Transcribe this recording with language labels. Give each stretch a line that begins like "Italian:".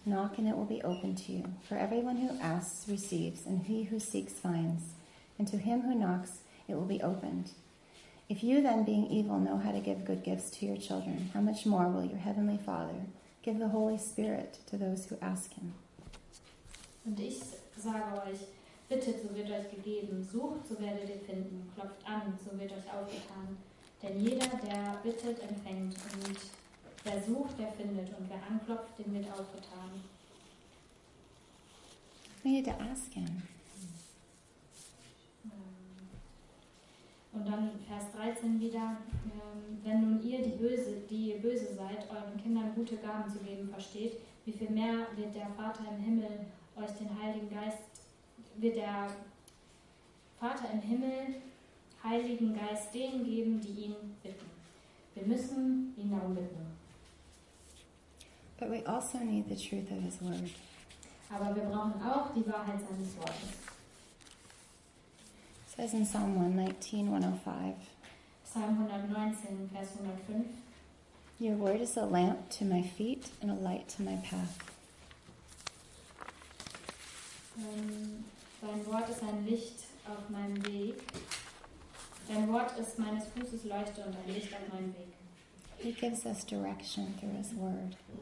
English: Knock, and it will be opened to you. For everyone who asks receives, and he who seeks finds. And to him who knocks, it will be opened. If you then, being evil, know how to give good gifts to your children, how much more will your heavenly Father give the Holy Spirit to those who ask him?
German: Und ich sage euch, bittet, so wird euch gegeben, sucht, so werdet ihr finden, klopft an, so wird euch aufgetan. Denn jeder, der bittet, empfängt, und wer sucht, der findet, und wer anklopft, dem wird aufgetan.
English: We need to ask him.
German: Und dann Vers 13 wieder, wenn nun ihr, die ihr böse seid, euren Kindern gute Gaben zu geben versteht, wie viel mehr wird der Vater im Himmel euch den Heiligen Geist, wird der Vater im Himmel Heiligen Geist denen geben, die ihn bitten. Wir müssen ihn darum bitten.
English: But we also need the truth of his word.
German: Aber wir brauchen auch die Wahrheit seines Wortes.
English: It says in Psalm 119:105.
German: Psalm 119, Vers 105.
English: Your word is a lamp to my feet and a light to my path.
German: Dein Wort ist ein Licht auf meinem Weg. Dein Wort ist meines Fußes Leuchte und ein Licht auf meinem Weg.
English: He gives us direction through his word.